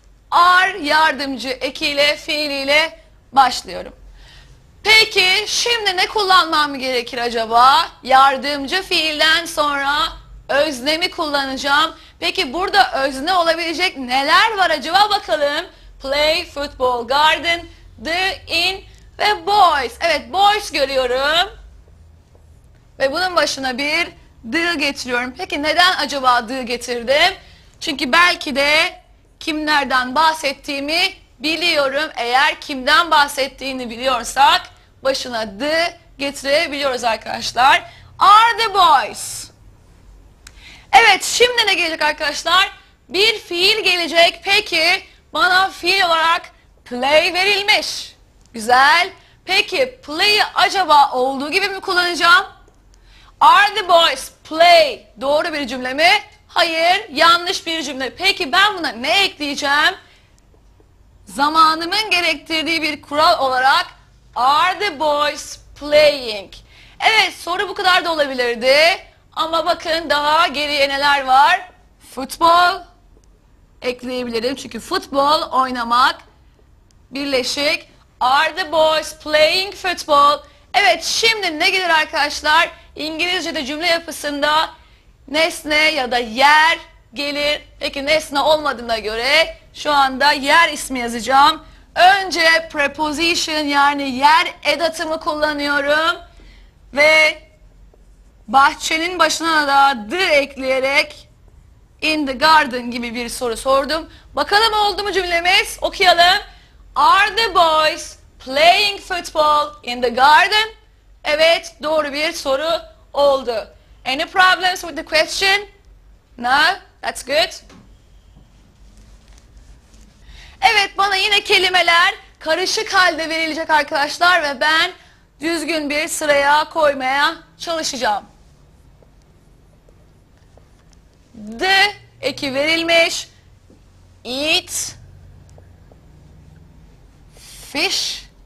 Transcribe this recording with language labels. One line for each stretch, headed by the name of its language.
Turkish: Are yardımcı ekiyle, fiiliyle başlıyorum. Peki şimdi ne kullanmam gerekir acaba? Yardımcı fiilden sonra öznemi kullanacağım. Peki burada özne olabilecek neler var acaba, bakalım. Play, football, garden, the, in ve boys. Evet, boys görüyorum. Ve bunun başına bir the getiriyorum. Peki neden acaba the getirdim? Çünkü belki de kimlerden bahsettiğimi biliyorum. Eğer kimden bahsettiğini biliyorsak başına the getirebiliyoruz arkadaşlar.
English: Are the boys?
Turkish: Evet, şimdi ne gelecek arkadaşlar? Bir fiil gelecek. Peki, bana fiil olarak play verilmiş. Güzel. Peki, play'i acaba olduğu gibi mi kullanacağım?
English: Are the boys play?
Turkish: Doğru bir cümle mi? Hayır, yanlış bir cümle. Peki, ben buna ne ekleyeceğim? Zamanımın gerektirdiği bir kural olarak
English: are the boys playing?
Turkish: Evet, soru bu kadar da olabilirdi. Ama bakın daha geriye neler var? Futbol ekleyebilirim. Çünkü futbol oynamak birleşik.
English: Are the boys playing football?
Turkish: Evet, şimdi ne gelir arkadaşlar? İngilizce'de cümle yapısında nesne ya da yer gelir. Peki nesne olmadığına göre şu anda yer ismi yazacağım. Önce preposition yani yer edatımı kullanıyorum. Ve bahçenin başına da the ekleyerek
English: in the garden
Turkish: gibi bir soru sordum. Bakalım oldu mu cümlemiz? Okuyalım.
English: Are the boys playing football in the garden?
Turkish: Evet, doğru bir soru oldu.
English: Any problems with the question? No, that's good.
Turkish: Evet, bana yine kelimeler karışık halde verilecek arkadaşlar ve ben düzgün bir sıraya koymaya çalışacağım. The eki verilmiş. Eat fish.